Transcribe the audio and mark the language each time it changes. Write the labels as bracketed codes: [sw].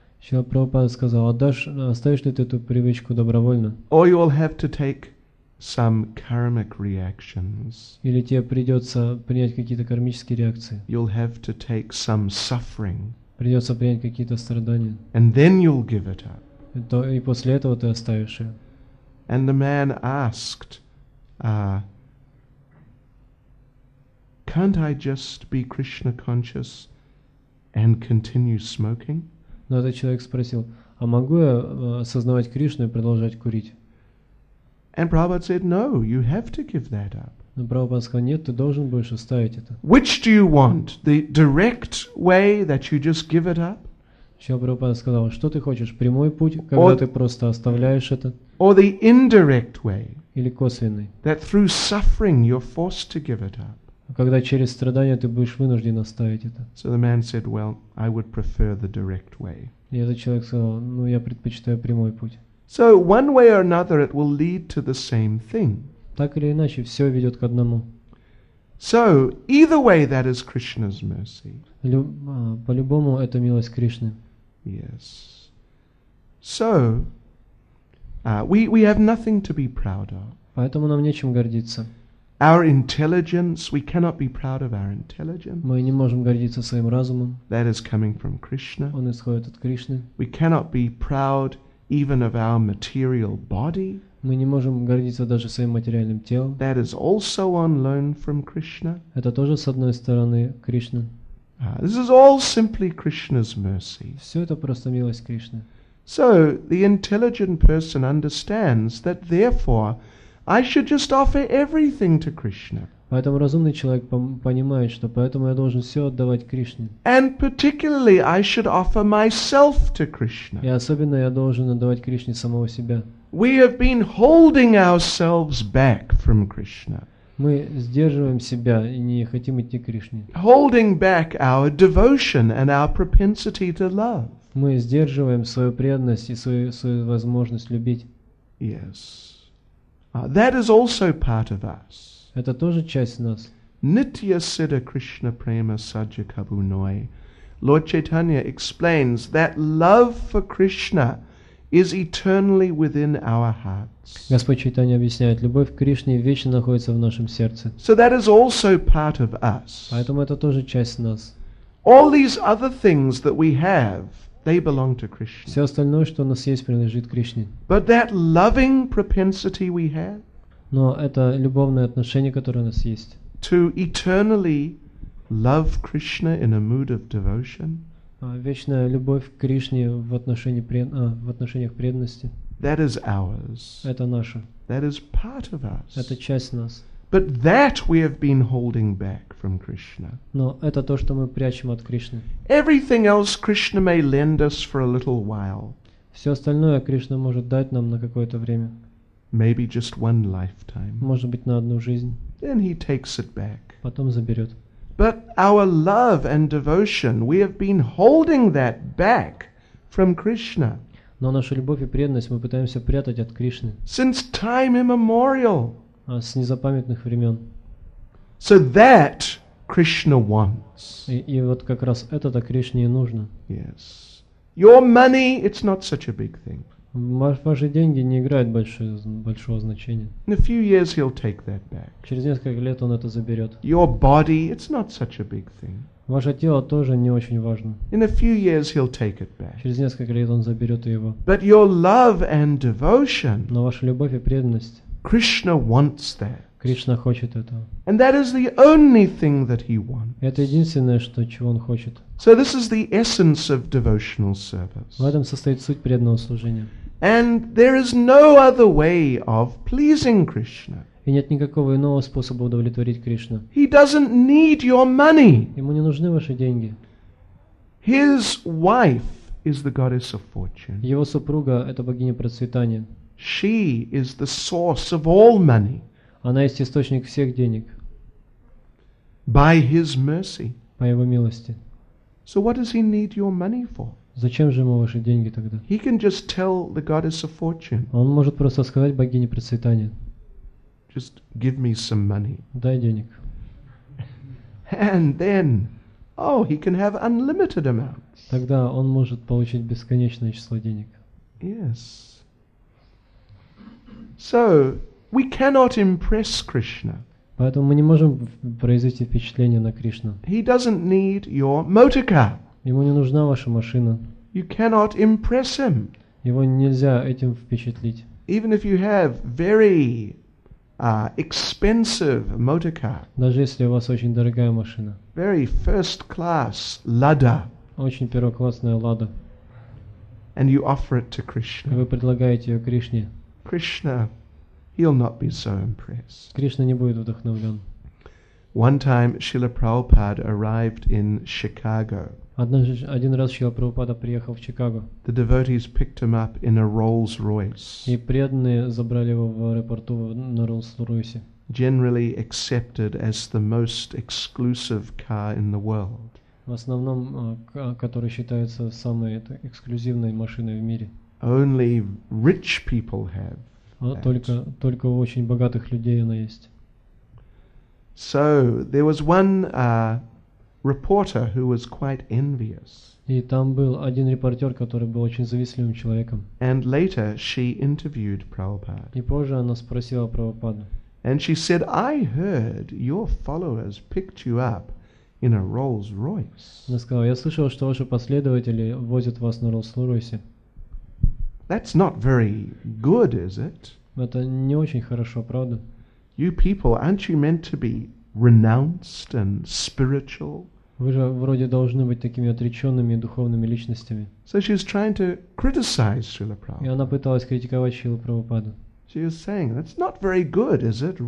[ru] Шрила Прабхупада сказал, оставишь ли ты эту привычку добровольно? [en] Or you will have to take some karmic reactions. [ru] Или тебе придется принять какие-то кармические реакции. [en] You'll have to take some suffering. [ru] Придется принять какие-то страдания. [en] And then you'll give it up. [ru] И после этого ты оставишь ее. [en] And the man asked, can't I just be Krishna conscious and continue smoking? [ru] Но этот человек спросил, а могу я осознавать Кришну и продолжать курить? [en] And Prabhupada said, no, you have to give that up. [ru] Но Прабхупада сказал, нет, ты должен будешь оставить это. [en] Which do you want? The direct way that you just give it up? [ru] Шрила Прабхупада сказал, что ты хочешь, прямой путь, когда ты просто оставляешь это? [en] Or the indirect way, [ru] или косвенный, [en] that through suffering you're forced to give it up. [ru] Когда через страдания ты будешь вынужден оставить это. [en] So the man said, well, I would prefer the direct way. [ru] И этот человек сказал, я предпочитаю прямой путь. [en] So one way or another it will lead to the same thing. [ru] Так или иначе, все ведет к одному. [en] So either way that is Krishna's mercy. [ru] По-любому это милость Кришны. [en] Yes. So we have nothing to be proud of. [ru] Поэтому нам нечем гордиться. [en] Our intelligence, we cannot be proud of our intelligence. [ru] Мы не можем гордиться своим разумом. [en] That is coming from Krishna. [ru] Он исходит от Кришны. [en] We cannot be proud even of our material body. [ru] Мы не можем гордиться даже своим материальным телом. [en] That is also on loan from Krishna. [ru] Это тоже с одной стороны Кришна. [en] This is all simply Krishna's mercy. [ru] Все это просто милость Кришны. [en] So the intelligent person understands that therefore I should just offer everything to Krishna. [ru] Поэтому разумный человек понимает, что поэтому я должен все отдавать Кришне. [en] And particularly I should offer myself to Krishna. [ru] И особенно я должен отдавать Кришне самого себя. [en] We have been holding ourselves back from Krishna. [ru] Мы сдерживаем себя и не хотим идти к Кришне. [en] Holding back our devotion and our propensity to love. [ru] Мы сдерживаем свою преданность и свою возможность любить. [en] Yes. That is also part of us. [ru] Это тоже часть нас. [bn] Nitya Siddha Krishna Prema Sajja Kabu Noi. [en] Lord Chaitanya explains that love for Krishna is eternally within our hearts. [ru] Господь Чайтанья объясняет, любовь к Кришне вечно находится в нашем сердце. [en] So that is also part of us. [ru] Поэтому это тоже часть нас. [en] All these other things that we have, they belong to Krishna. [ru] Все остальное, что у нас есть, принадлежит Кришне. [en] But that loving propensity we have, [ru] Но это любовное отношение, которое у нас есть. [en] To eternally love Krishna in a mood of devotion. [ru] Вечная любовь к Кришне в отношении в отношениях преданности. [en] That is ours. [ru] Это наше. [en] That is part of us. [ru] Это часть нас. [en] But that we have been holding back from Krishna. [ru] Но это то, что мы прячем от Кришны. [en] Everything else Krishna may lend us for a little while. [ru] Все остальное Кришна может дать нам на какое-то время. [en] Maybe just one lifetime. [ru] Может быть, на одну жизнь. [en] Then he takes it back. [ru] Потом заберет. [en] But our love and devotion, we have been holding that back from Krishna. [ru] Но наша любовь и преданность мы пытаемся прятать от Кришны. [en] Since time immemorial. [ru] С незапамятных времен. [en] So that Krishna wants. [ru] И вот как раз это-то Кришне и нужно. [en] Yes. Your money, it's not such a big thing. [ru] Ваши деньги не играют большого значения. [en] In a few years he'll take that back. [ru] Через несколько лет он это заберет. [en] Your body, it's not such a big thing. [ru] Ваше тело тоже не очень важно. [en] In a few years he'll take it back. [ru] Через несколько лет он заберет его. [en] But your love and devotion. [ru] Но ваша любовь и преданность. [en] Krishna wants that. [ru] Кришна хочет этого. [en] And that is the only thing that he wants. [ru] Это единственное, что чего он хочет. [en] So this is the essence of devotional service. [ru] В этом состоит суть преданного служения. [en] And there is no other way of pleasing Krishna. [ru] И нет никакого иного способа удовлетворить Кришну. [en] He doesn't need your money. [ru] Ему не нужны ваши деньги. [en] His wife is the goddess of fortune. [ru] Его супруга — это богиня процветания. [en] She is the source of all money. [ru] Она есть источник всех денег. [en] By his mercy. [ru] По его милости. [en] So what does he need your money for? [ru] Зачем же ему ваши деньги тогда? [en] He can just tell the goddess of fortune. [ru] Он может просто сказать богине процветания. [en] Just give me some money. [ru] Дай денег. [en] And then, oh, he can have unlimited amounts. [ru] Тогда он может получить бесконечное число денег. [en] Yes. So we cannot impress Krishna. [ru] Поэтому мы не можем произвести впечатление на Кришну. [en] He doesn't need your motor car. [ru] Ему не нужна ваша машина. [en] You cannot impress him. [ru] Его нельзя этим впечатлить. [en] Even if you have very expensive motor car. [ru] Даже если у вас очень дорогая машина. [en] Very first class Lada. [ru] Очень первоклассная Лада. [en] And you offer it to Krishna. [ru] И вы предлагаете ее Кришне. [en] Krishna. He'll not be so impressed. [ru] Кришна не будет вдохновлен. [en] One time Srila Prabhupada arrived in Chicago. [ru] Один раз Шрила Прабхупада приехал в Чикаго. [en] The devotees picked him up in a Rolls-Royce. [ru] И преданные забрали его в аэропорту на Rolls-Royce. [en] Generally accepted as the most exclusive car in the world. [ru] В основном, который считается самой эксклюзивной машиной в мире. [en] Only rich people have. [ru] Только у очень богатых людей она есть. [en] So there was one reporter who was quite envious. [ru] И там был один репортер, который был очень завистливым человеком. [en] And later she interviewed Prabhupada. [ru] И позже она спросила Прабхупаду. [en] And she said, "I heard your followers picked you up in a Rolls-Royce." [ru] Она сказала, я слышала, что ваши последователи возят вас на Rolls-Royce. [en] That's not very good, is it? [ru] Это не очень хорошо, правда? [en] You people, aren't you meant to be renounced and spiritual? [ru] Вы же вроде должны быть такими отреченными духовными личностями. [en] So she's trying to criticize Srila Prabhupada. [ru] И она пыталась критиковать Шрилу Прабхупаду. [en] She was saying, that's not very good, is it?